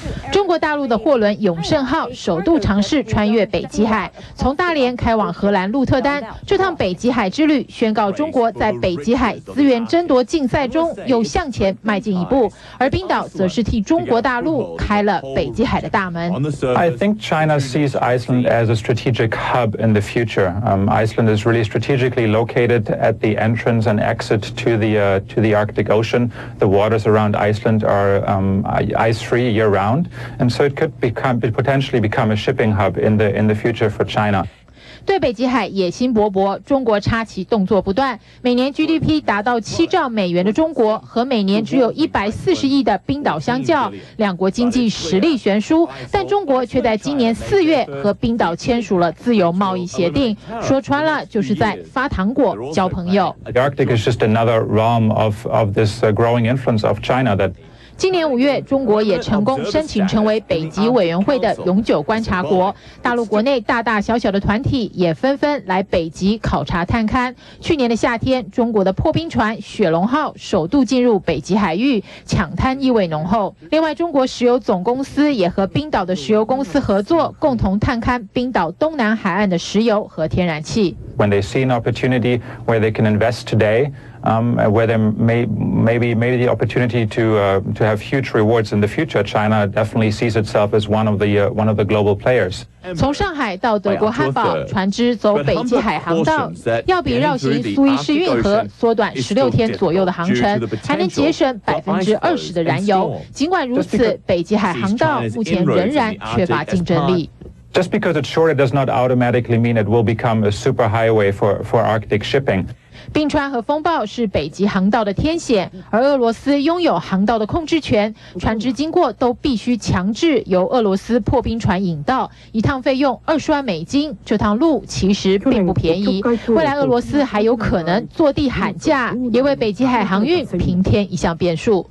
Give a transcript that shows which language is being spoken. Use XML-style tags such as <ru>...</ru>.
<zh>中国大陆的货轮永盛号首度尝试穿越北极海，从大连开往荷兰鹿特丹。这趟北极海之旅宣告中国在北极海资源争夺竞赛中又向前迈进一步，而冰岛则是替中国大陆开了北极海的大门。</zh> <en>I think China sees Iceland as a strategic hub in the future. Iceland is really strategically located at the entrance and exit to the Arctic Ocean. The waters around Iceland are ice free year round. And so it could become, potentially become a shipping hub in the future for China.</en> <zh>对北极海野心勃勃，中国插旗动作不断。每年 GDP 达到7兆美元的中国，和每年只有140亿的冰岛相较，两国经济实力悬殊。但中国却在今年四月和冰岛签署了自由贸易协定，说穿了就是在发糖果交朋友。</zh> <en>The Arctic is just another realm of this growing influence of China that.</en> <zh>今年五月，中国也成功申请成为北极委员会的永久观察国。大陆国内大大小小的团体也纷纷来北极考察探勘。去年的夏天，中国的破冰船雪龙号首度进入北极海域，抢滩意味浓厚。另外，中国石油总公司也和冰岛的石油公司合作，共同探勘冰岛东南海岸的石油和天然气。</zh> <en>When they see an opportunity where they can invest today,where there may maybe the opportunity to have huge rewards in the future, China definitely sees itself as one of the global players.</en> <zh>从上海到德国汉堡，船只走北极海航道，要比绕行苏伊士运河缩短16天左右的航程，还能节省20%的燃油。尽管如此，北极海航道目前仍然缺乏竞争力。</zh> <en>Just because it's shorter does not automatically mean it will become a super highway for Arctic shipping.</en> <zh>冰川和风暴是北极航道的天险，而俄罗斯拥有航道的控制权，船只经过都必须强制由俄�罗斯破冰船引道，一趟费用20万美金，这趟路其实并不便宜。未来俄罗斯还有可能坐地喊价，也为北极海航运平添一项变数。</zh>